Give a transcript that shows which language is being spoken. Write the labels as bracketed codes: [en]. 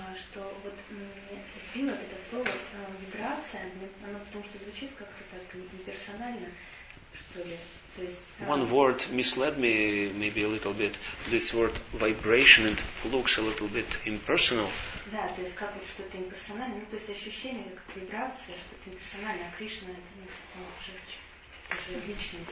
[ru] Что вот меня сбило это слово вибрация, оно потому что звучит как-то так неперсонально, что ли. То есть, [en] One word misled me maybe a little bit. This word vibration it looks a little bit impersonal. [ru] Да, то есть как вот что-то имперсональное, ну то есть ощущение как вибрация, что-то имперсональное, а Кришна это не живучий.